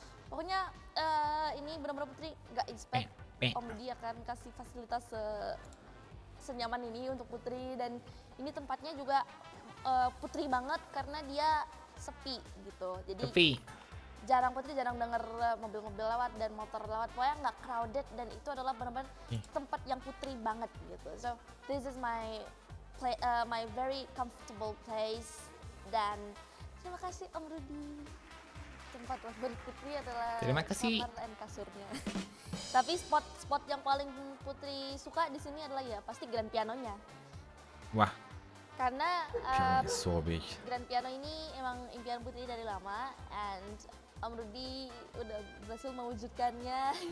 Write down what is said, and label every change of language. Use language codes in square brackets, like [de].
[id] Pokoknya ini benar-benar Putri enggak expect Om Budi akan kasih fasilitas senyaman ini untuk Putri, dan ini tempatnya juga Putri banget karena dia sepi gitu. Jadi sepi. Jarang Putri jarang dengar mobil-mobil lewat dan motor lewat. Pokoknya enggak crowded dan itu adalah benar-benar tempat yang Putri banget gitu. [en] So this is my very comfortable place. [id] Dan terima kasih Om Rudy. Tempat favorit Putri adalah kamar dan kasurnya. Tapi spot yang paling Putri suka di sini adalah ya pasti grand pianonya. Wah. Karena [en] so big. [id] Grand piano ini emang impian Putri dari lama and Om Rudy udah berhasil mewujudkannya.